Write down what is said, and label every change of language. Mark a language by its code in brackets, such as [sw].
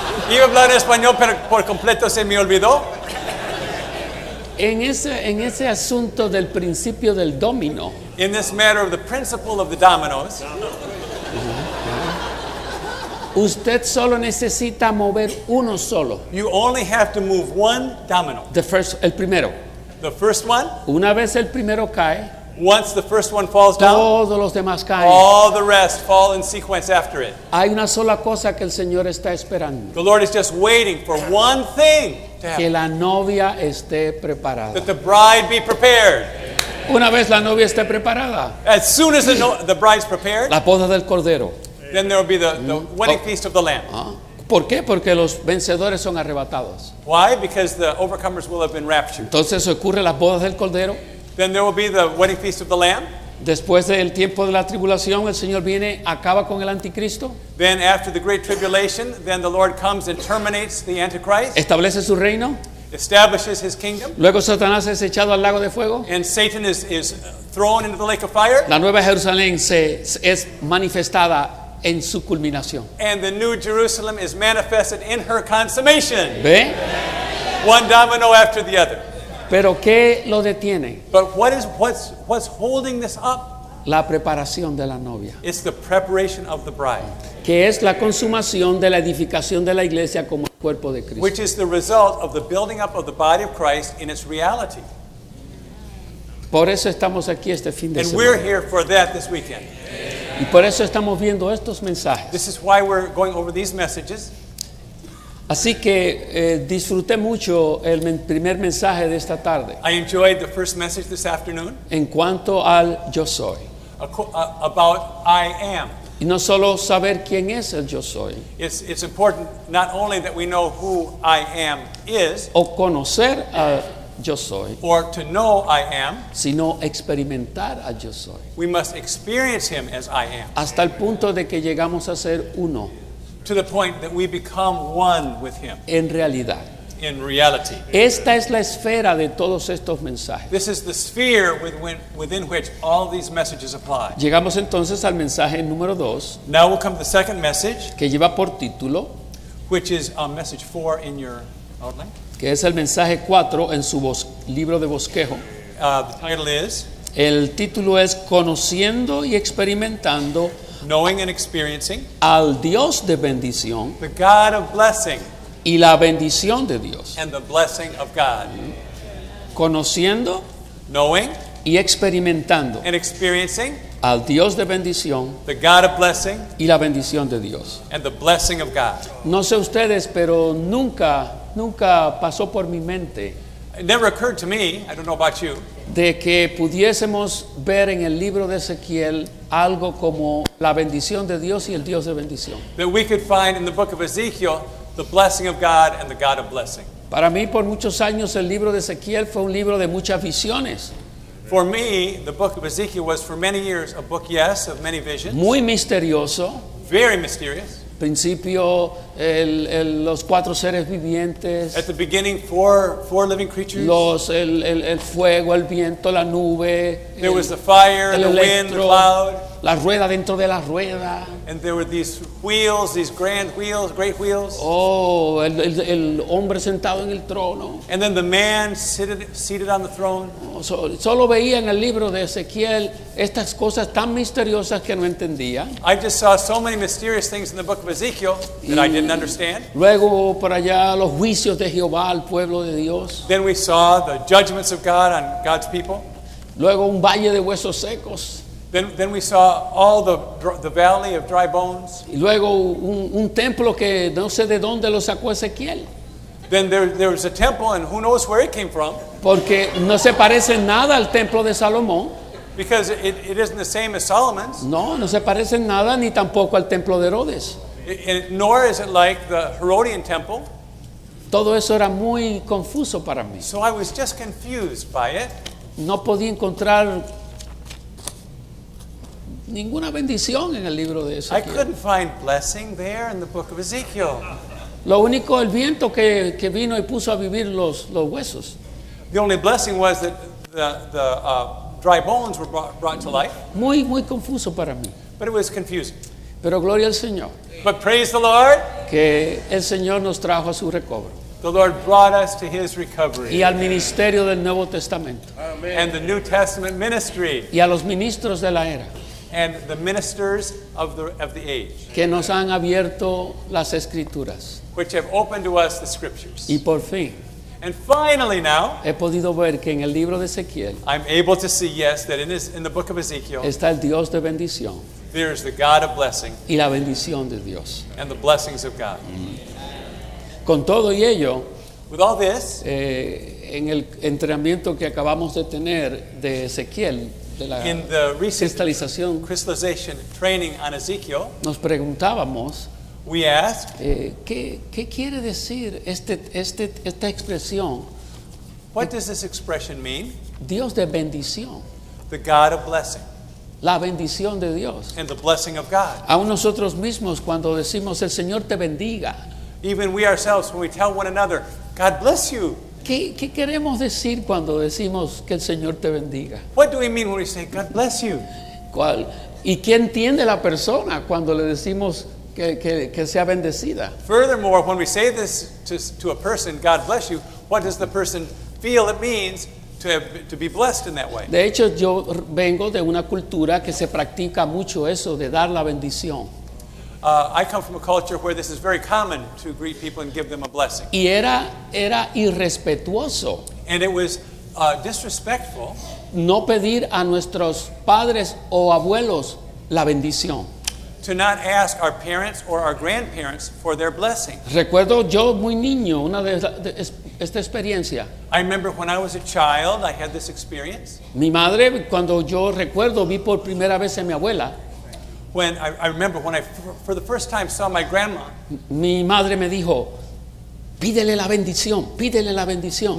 [es] Iba a hablar en español, pero por completo se me olvidó. En ese asunto del principio del domino. [en] In this matter of the principle of the dominoes. [es] Usted solo necesita mover uno solo. [en] You only have to move one domino. [es] El primero. [en] The first one. [es] Una vez el primero cae. [en] Once the first one falls down. [es] Todos los demás caen. [en] All the rest fall in sequence after it. [es] Hay una sola cosa que el Señor está esperando. [en] The Lord is just waiting for one thing. [es] Que la novia esté preparada. [en] That the bride be prepared. [es] Una vez la novia esté preparada. [en] As soon as the bride's prepared. [es] La boda del cordero. [en] Then there will be the wedding feast of the Lamb. [es] ¿Por qué? Porque los vencedores son arrebatados. [en] Why? Because the overcomers will have been raptured. [es] Entonces ocurre la boda del cordero. [en] Then there will be the wedding feast of the Lamb. [es] Después del tiempo de la tribulación, el Señor viene, acaba con el anticristo. [en] Then after the great tribulation, then the Lord comes and terminates the Antichrist. [es] Establece su reino. [en] Establishes his kingdom. [es] Luego Satanás es echado al lago de fuego. [en] And Satan is thrown into the lake of fire. [es] La nueva Jerusalén es manifestada en su culminación. [en] And the new Jerusalem is manifested in her consummation. [es] ¿Ve? [en] One domino after the other. [es] ¿Pero qué lo detiene? [en] But what's holding this up? [es] La preparación de la novia. [en] It's the preparation of the bride. [es] Que es la consumación de la edificación de la iglesia como el cuerpo de Cristo. [en] Which is the result of the building up of the body of Christ in its reality. [es] Por eso estamos aquí este fin de [en] And [es] semana. [en] And we're here for that this weekend. [es] Y por eso estamos viendo estos mensajes. [en] This is why we're going over these messages. [es] Así que disfruté mucho el primer mensaje de esta tarde. [en] I enjoyed the first message this afternoon. [es] En cuanto al yo soy. [en] About I am. [es] Y no solo saber quién es el yo soy. [en] It's important not only that we know who I am is. [es] O conocer al yo soy. [en] Or to know I am. [es] Sino experimentar al yo soy. [en] We must experience him as I am. [es] Hasta el punto de que llegamos a ser uno. [en] To the point that we become one with him. [es] En realidad. [en] In reality. [es] Esta es la esfera de todos estos mensajes. [en] This is the sphere within which all these messages apply. [es] Llegamos entonces al mensaje número 2. [en] Now we'll come to the second message. [es] Que lleva por título. [en] Which is message 4 in your outline. [es] Que es el mensaje 4 en su libro de bosquejo. [en] The title is. [es] El título es Conociendo y Experimentando. [en] Knowing and experiencing [es] al Dios de bendición, [en] the God of blessing, [es] y la bendición de Dios, [en] and the blessing of God, [es] conociendo, [en] knowing, [es] y experimentando, [en] and experiencing [es] al Dios de bendición, [en] the God of blessing, [es] y la bendición de Dios, [en] and the blessing of God. [es] No sé ustedes, pero nunca pasó por mi mente. [en] It never occurred to me. I don't know about you. [es] De que pudiésemos ver en el libro de Ezequiel algo como la bendición de Dios y el Dios de bendición. [en] That we could find in the book of Ezekiel the blessing of God and the God of blessing. [es] Para mí, por muchos años, el libro de Ezequiel fue un libro de muchas visiones. [en] For me, the book of Ezekiel was for many years a book, yes, of many visions. [es] Muy misterioso. [en] Very mysterious. [es] Principio, los cuatro seres vivientes. [en] At the beginning, four living creatures. [es] El fuego, el viento, la nube. [en] There was the fire, the wind, the cloud. [es] La rueda dentro de la rueda. [en] And there were these wheels, these grand wheels, great wheels. [es] Oh, el hombre sentado en el trono. [en] And then the man seated on the throne. [es] Solo veía en el libro de Ezequiel estas cosas tan misteriosas que no entendía. [en] I just saw so many mysterious things in the book of Ezekiel that I didn't understand. [es] Luego por allá los juicios de Jehová al pueblo de Dios. [en] Then we saw the judgments of God on God's people. [es] Luego un valle de huesos secos. [en] Then we saw all the valley of dry bones. [es] Y luego un templo que no sé de dónde lo sacó Ezequiel. [en] Then there was a temple and who knows where it came from. [es] Porque no se parece nada al templo de Salomón. [en] Because it isn't the same as Solomon's. [es] No se parece nada ni tampoco al templo de Herodes. [en] Nor is it like the Herodian temple. [es] Todo eso era muy confuso para mí. [en] So I was just confused by it. [es] no podía encontrar ninguna bendición en el libro de Ezequiel. [en] I couldn't find blessing there in the book of Ezekiel. [es] Lo único, el viento que vino y puso a vivir los huesos. [en] The only blessing was that the dry bones were brought to life. [es] Muy, muy confuso para mí. [en] But it was confusing. [es] Pero gloria al Señor. [en] But praise the Lord. [es] Que el Señor nos trajo a su recobro. [en] The Lord brought us to his recovery. [es] Y al ministerio del Nuevo Testamento. [en] Amen. And the New Testament ministry. [es] Y a los ministros de la era. [en] And the ministers of the age. [es] Que nos han abierto las escrituras. [en] Which have opened to us the scriptures. [es] Y por fin. [en] And finally now. [es] He podido ver que en el libro de Ezequiel. [en] I'm able to see, yes, that in the book of Ezekiel. [es] Está el Dios de bendición. [en] There is the God of blessing. [es] Y la bendición de Dios. [en] And the blessings of God. Mm-hmm. [es] Con todo y ello. [en] With all this. [es] En el entrenamiento que acabamos de tener de Ezequiel. [en] In the recent crystallization training on Ezekiel, [es] nos preguntábamos, [en] we asked, [es] ¿qué quiere decir esta expresión? [en] What does this expression mean? [es] Dios de bendición. [en] The God of blessing. [es] La bendición de Dios. [en] And the blessing of God. [es] Aún nosotros mismos cuando decimos el Señor te bendiga. [en] Even we ourselves when we tell one another, God bless you. [es] ¿Qué queremos decir cuando decimos que el Señor te bendiga? [en] What do we mean when we say God bless you? [es] ¿Cuál? ¿Y qué entiende la persona cuando le decimos que sea bendecida? [en] Furthermore, when we say this to a person, God bless you, what does the person feel it means to be blessed in that way? [es] De hecho, yo vengo de una cultura que se practica mucho eso de dar la bendición. [en] I come from a culture where this is very common to greet people and give them a blessing. [es] Y era irrespetuoso. [en] And it was disrespectful. [es] No pedir a nuestros padres o abuelos la bendición. [en] To not ask our parents or our grandparents for their blessing. [es] Recuerdo yo muy niño una de esta experiencia. [en] I remember when I was a child, I had this experience. [es] Mi madre, cuando yo recuerdo, vi por primera vez a mi abuela. [en] When I remember when I for the first time saw my grandma. [es] Mi madre me dijo, pídele la bendición, pídele la bendición.